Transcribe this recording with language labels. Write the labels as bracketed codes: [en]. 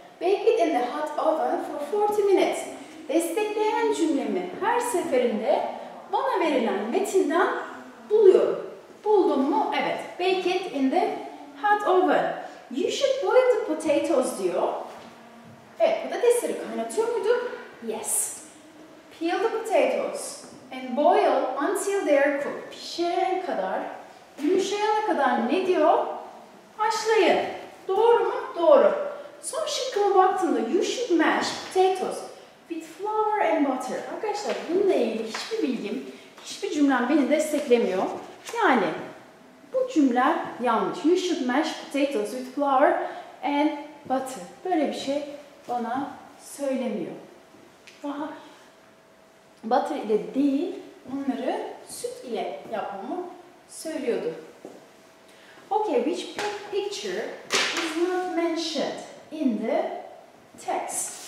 [en] Bake it in the hot oven for 40 minutes. [tr] Destekleyen cümlemi her seferinde bana verilen metinden buluyorum. Buldum mu? Evet. [en] Bake it in the hot oven. You should boil the potatoes [tr] diyor. Evet, patatesleri kaynatıyor muyduk? [en] Yes. Peel the potatoes and boil until they are cooked. [tr] Pişirene kadar, yumuşayana kadar ne diyor? Haşlayın. Doğru mu? Doğru. Son şıkkıma baktığımda [en] you should mash potatoes with flour and butter. [tr] Arkadaşlar bununla ilgili hiçbir bilgim, hiçbir cümlem beni desteklemiyor. Yani bu cümle Kimler? Yanlış. [en] You should mash potatoes with flour and butter. [tr] Böyle bir şey bana söylemiyor. Aha. Butter ile değil, onları süt ile yapmamı söylüyordu. [en] Okay, which picture is not mentioned in the text?